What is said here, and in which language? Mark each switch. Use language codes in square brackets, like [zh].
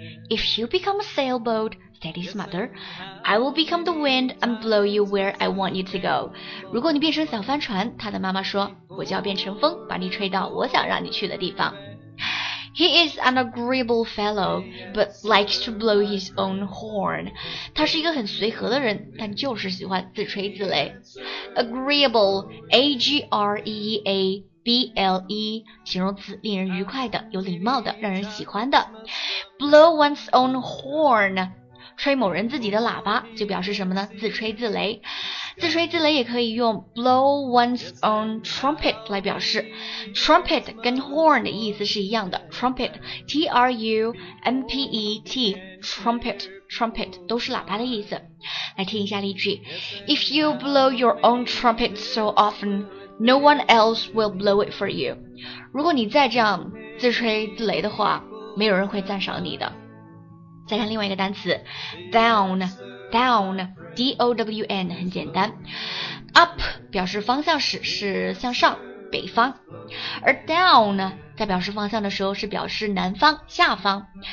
[en] If you become a sailboat, said his mother, I will become the wind and blow you where I want you to go. [zh] 如果你变成小帆船，他的妈妈说，我就要变成风，把你吹到我想让你去的地方。 [en] He is an agreeable fellow, but likes to blow his own horn. [zh] 他是一个很随和的人，但就是喜欢自吹自擂。 [en] Agreeable, A-G-R-E-A. [zh] B-L-E, 形容词，令人愉快的，有礼貌的，让人喜欢的。 [en] Blow one's own horn, [zh] 吹某人自己的喇叭，就表示什么呢？自吹自擂。自吹自擂也可以用 [en] blow one's own trumpet [zh] 来表示。 Trumpet 跟 horn 的意思是一样的， Trumpet T-R-U-M-P-E-T Trumpet Trumpet 都是喇叭的意思。来听一下例句， [en] If you blow your own trumpet so often, no one else will blow it for you. [zh] 如果你再这样自吹自擂的话，没有人会赞赏你的。再看另外一个单词 down down D-O-W-N 很简单， up 表示方向时是向上北方，而 down 呢在表示方向的时候是表示南方下方。